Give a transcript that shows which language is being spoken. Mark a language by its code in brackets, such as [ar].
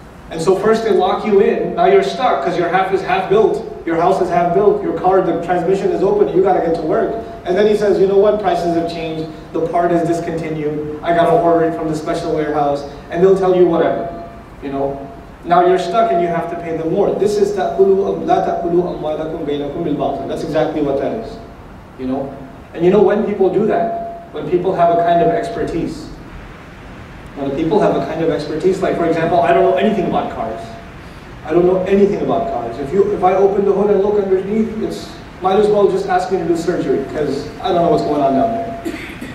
[en] And so first they lock you in, now you're stuck, because your half is half built, your house is half built, your car, the transmission is open, you gotta get to work. And then he says, you know what, prices have changed, the part is discontinued, I gotta order it from the special warehouse, and they'll tell you whatever, you know. Now you're stuck and you have to pay them more. This is [ar] لَا تَأْكُلُوا أَمْوَالَكُمْ بَيْنَكُمْ بِالْبَاطِلِ. [en] That's exactly what that is, you know. And you know when people do that? When people have a kind of expertise. When people have a kind of expertise, like for example, I don't know anything about cars. I don't know anything about cars. If I open the hood and look underneath, it's might as well just ask me to do surgery because I don't know what's going on down there.